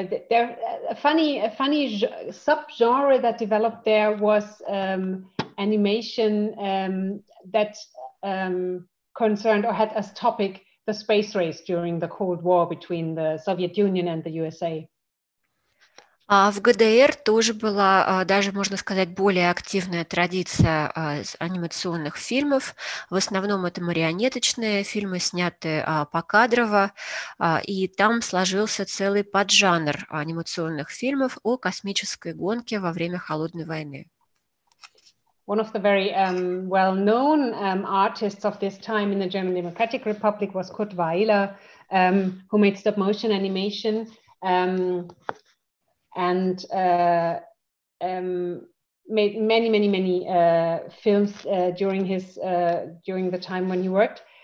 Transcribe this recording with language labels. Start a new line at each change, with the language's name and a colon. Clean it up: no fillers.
English: There a funny subgenre that developed there was animation that concerned or had as topic the space race during the Cold War between the Soviet Union and the USA.
Russian: В ГДР тоже была даже, можно сказать, более активная традиция анимационных фильмов. В основном это марионеточные фильмы, снятые покадрово, и там сложился целый поджанр анимационных фильмов о космической гонке во время Холодной войны.
English: One of the very well-known artists of this time in the German Democratic Republic was Kurt Weiler, who made stop-motion animation. And made many films during his during the time when he worked.